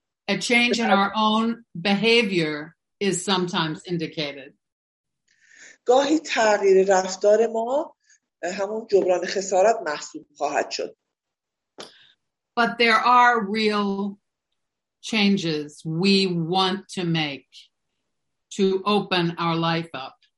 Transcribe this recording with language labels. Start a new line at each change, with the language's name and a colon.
English: A change in our own behavior is sometimes indicated.
Persian: گاهی تغییر رفتار ما همون جبران خسارت محسوب خواهد شد.
English: But there are real changes we want to make to open our life up.